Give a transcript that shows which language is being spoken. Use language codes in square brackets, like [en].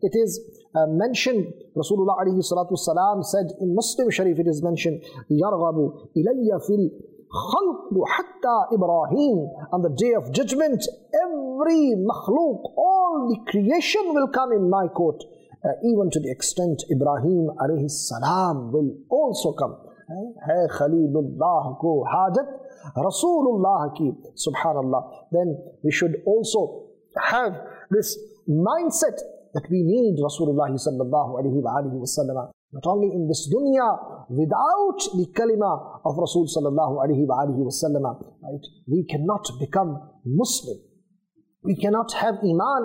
[en] It is mentioned, Rasulullah alayhi salatu wasalam said in Muslim Sharif, it is mentioned, [ar] yarghabu ilayya fil خلق حتى إبراهيم. [en] On the day of judgment, every makhluk, all the creation will come in my court, even to the extent Ibrahim alayhi salam will also come. [ur] ہے خلیل اللہ کو حاجت رسول اللہ کی سبحان اللہ. [en] Then we should also have this mindset that we need Rasulullah sallallahu alayhi wa alihi wa sallam not only in this dunya without the kalima of Rasul sallallahu alayhi wa alihi wa sallam, right? We cannot become Muslim. We cannot have iman.